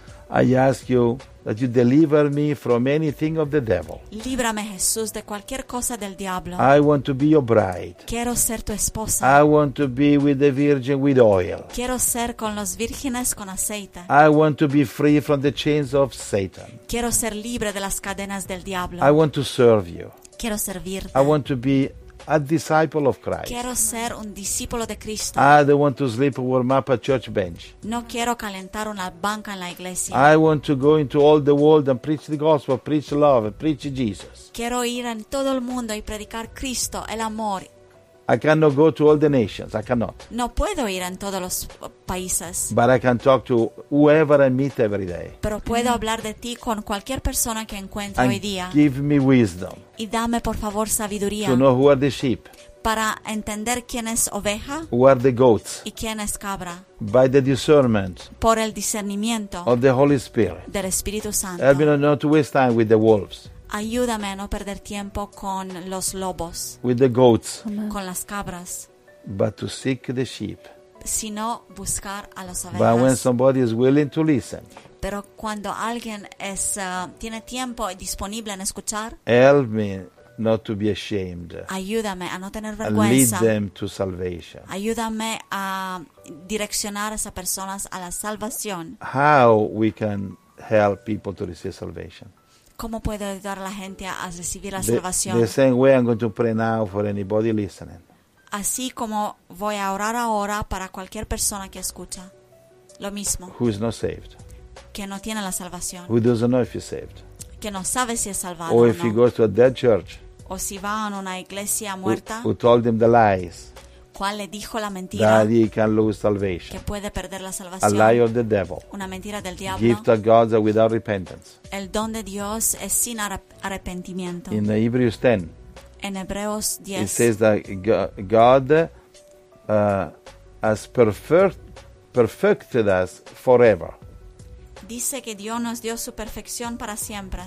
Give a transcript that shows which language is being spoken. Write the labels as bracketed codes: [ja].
[en] I ask you that you deliver me from anything of the devil. [es] Líbrame, Jesús, de cualquier cosa del diablo. [en] I want to be your bride. [es] Quiero ser tu esposa. [en] I want to be with the virgin with oil. [es] Quiero ser con los vírgenes con aceite. [en] I want to be free from the chains of Satan. [es] Quiero ser libre de las cadenas del diablo. [en] I want to serve you. [es] Quiero servirte. [en] I want to be a disciple of Christ. [es] Quiero ser un discípulo de Cristo. [en] I don't want to sleep warm up a church bench. [es] No quiero calentar una banca en la iglesia. [en] I want to go into all the world and preach the gospel, preach love, and preach Jesus. [es] Quiero ir en todo el mundo y predicar Cristo, el amor. [en] I cannot go to all the nations. I cannot. [es] No puedo ir en todos los países. [en] But I can talk to whoever I meet every day. [es] Pero puedo hablar de ti con cualquier persona que encuentro [en] and [es] hoy día. [en] Give me wisdom. [es] Y dame por favor sabiduría. [en] To know who are the sheep. [es] Para entender quién es oveja. [en] Who are the goats. [es] Y quién es cabra. [en] By the discernment. [es] Por el discernimiento. [en] Of the Holy Spirit. [es] Del Espíritu Santo. [en] Help me not to waste time with the wolves. [es] Ayúdame a no perder tiempo con los lobos. [en] With the goats. [es] Con las cabras. [en] But to seek the sheep. [es] Sino buscar a las ovejas. [en] But when somebody is willing to listen. [es] Pero cuando alguien es tiene tiempo y disponible en escuchar. [en] Help me not to be ashamed. [es] Ayúdame a no tener vergüenza. [en] And lead them to salvation. [es] Ayúdame a direccionar a esas personas a la salvación. [en] How we can help people to receive salvation. [es] ¿Cómo puedo ayudar a la gente a recibir la salvación? [en] The same way I'm going to pray now for anybody listening. [es] Así como voy a orar ahora para cualquier persona que escucha. Lo mismo. [en] Who is not saved. [es] Que no tiene la salvación. [en] Who doesn't know if he's saved. [es] Que no sabe si es salvado o [en] if [es] no. [en] He goes to a dead church. [es] O si va a una iglesia muerta. [en] Who told him the lies. [es] ¿Cuál le dijo la mentira? [en] That he can lose salvation. [es] Que puede perder la salvación. [en] A lie of the devil. [es] Una mentira del diablo. [en] Gift of God without repentance. [es] El don de Dios es sin arrepentimiento. [en] In Hebrews 10. [es] En Hebreos 10. [en] It says that God has perfected us forever. [es] Dice que Dios nos dio su perfección para siempre.